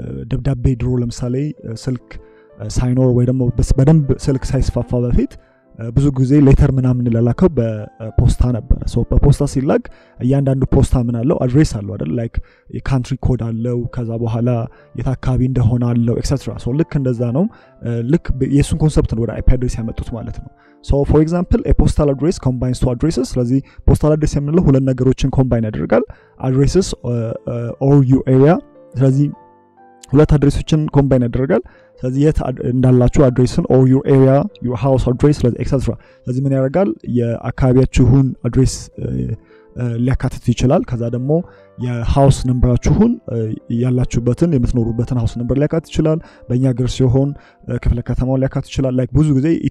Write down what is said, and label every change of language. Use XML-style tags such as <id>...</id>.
<am>ደብዳቤ ድሮ ለምሳሌ ስልክ ሳይኖር ወይ ደግሞ በደንብ ስልክ ሳይስፋፋ በፊት ብዙ ጊዜ ሌተር ምናምን ላከው በፖስታ ነበር። ሶ በፖስታ ሲላክ እያንዳንዱ ፖስታ ምን አለው አድሬስ አለው አይደል ላይክ የካንትሪ ኮድ አለው ከዛ በኋላ የታካቢ እንደሆነ አለው ኤክሰትራ። ሶ ልክ እንደዛ ነው ልክ የሱን ኮንሰፕት ነው ወደ አይፒ አድሬስ ያመጡት ማለት ነው።</am> <en>So for example a postal address combines two addresses.</en> <am>ስለዚህ postal address የምንለው ሁለት ነገሮችን combine ያደርጋል</am> <en>addresses or your area.</en> <am>ስለዚህ ሁለት አድሬሶችን ኮምባይን ያደርጋል። ስለዚህ የት እንዳላችሁ አድሬስን ኦር ዩር ኤሪያ ዩር ሃውስ አድሬስ ለዚህ ኤክሰትራ ስለዚህ ምን ያደርጋል የአካባቢያችሁን አድሬስ ሊያካትት ይችላል። ከዛ ደግሞ የሃውስ ነምበራችሁን ያላችሁበትን የምትኖሩበትን ሃውስ ነምበር ሊያካትት ይችላል። በእኛ ግርስ ይሆን ክፍለ ከተማው ሊያካትት ይችላል። ላይክ ብዙ ጊዜ</am>